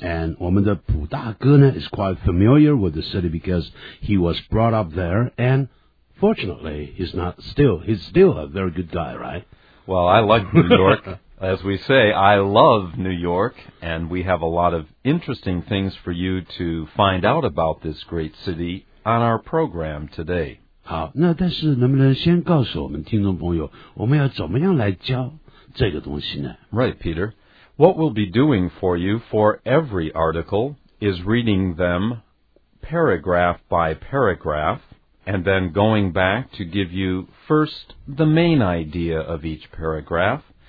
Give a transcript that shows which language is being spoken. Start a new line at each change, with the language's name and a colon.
English: And
Chinese: 我们的普大哥呢
English: is quite familiar with the city because he was brought up there, and fortunately, he's still a very good guy, right? Well, I like New York. As we say, I love New York, and we have a lot of interesting things for you to find out about this great city on our program today.
Chinese: 好，那但是能不能先告诉我们听众朋友，我们要怎么样来教这个东西呢？
English: Right, Peter. What we'll be doing for you for every article is reading them paragraph by paragraph, and then going back to give you first the main idea of each paragraph.